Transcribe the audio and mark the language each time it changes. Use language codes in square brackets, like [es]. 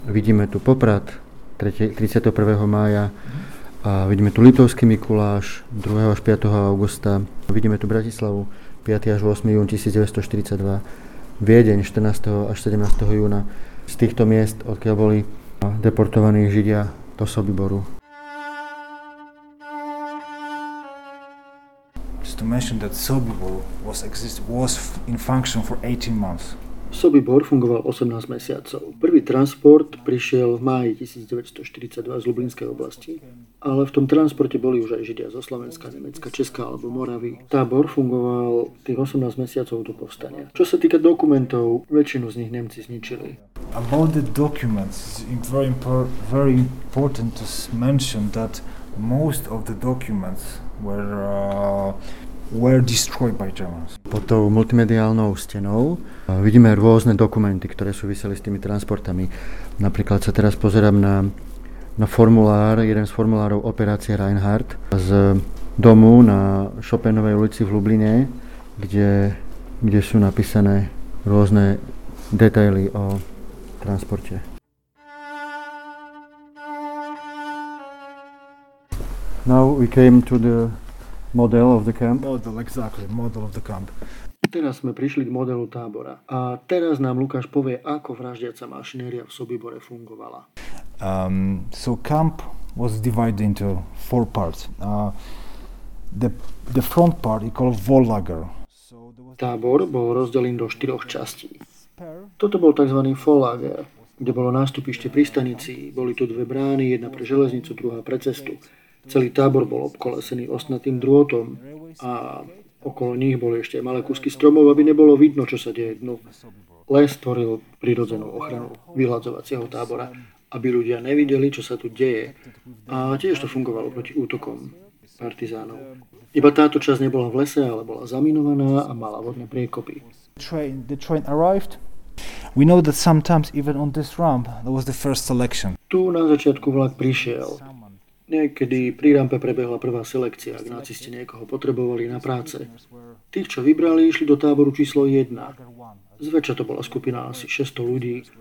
[sk] Vidíme tu Poprad 31. mája, a vidíme tu Litovský Mikuláš 2. až 5. augusta, vidíme tu Bratislavu 5. až 8. jún 1942, Viedeň 14. až 17. júna. Z týchto miest, odkiaľ boli deportovaní Židia do Sobiboru. [en] Just to mention that Sobibor was in function for 18 months. [sk] Sobibor fungoval 18 mesiacov. Prvý transport prišiel v máji 1942 z Lublinskej oblasti, ale v tom transporte boli už aj Židia zo Slovenska, Nemecka, Česka alebo Moravy. Tábor fungoval tých 18 mesiacov do povstania. Čo sa týka dokumentov, väčšinu z nich Nemci zničili. [en] About the documents, it's very important to mention that most of the documents were destroyed by Germans. [sk] Pod tou multimediálnou stenou vidíme rôzne dokumenty, ktoré súviseli s tými transportami. Napríklad sa teraz pozerám na formulár, jeden z formulárov operácie Reinhardt z domu na Chopinovej ulici v Lubline, kde sú napísané rôzne detaily o transporte. [en] Now we came to the model of the camp. Model, exactly, model of the camp. [sk] Teraz sme prišli k modelu tábora. A teraz nám Lukáš povie, ako vraždiaca mašinéria v Sobibore fungovala. [en] So camp was divided into four parts. the front part is called Volllager. [sk] Tábor bol rozdelený do štyroch častí. Toto bol tzv. Volllager, kde bolo nástupište pri stanici. Boli tu dve brány, jedna pre železnicu, druhá pre cestu. Celý tábor bol obkolesený ostnatým drôtom a okolo nich boli ešte malé kúsky stromov, aby nebolo vidno, čo sa deje dnu. Les tvoril prirodzenú ochranu vyhladzovacieho tábora, aby ľudia nevideli, čo sa tu deje. A tiež to fungovalo proti útokom partizánov. Iba táto časť nebola v lese, ale bola zaminovaná a mala vodné priekopy. [en] The train arrived. We know that sometimes even on this ramp there was the first selection. [sk] Tu na začiatku vlak prišiel. Niekedy pri rampe prebehla prvá selekcia, ak nacisti niekoho potrebovali na práce. Tých, čo vybrali, išli do táboru číslo 1. Zväčša to bola skupina asi 600 ľudí.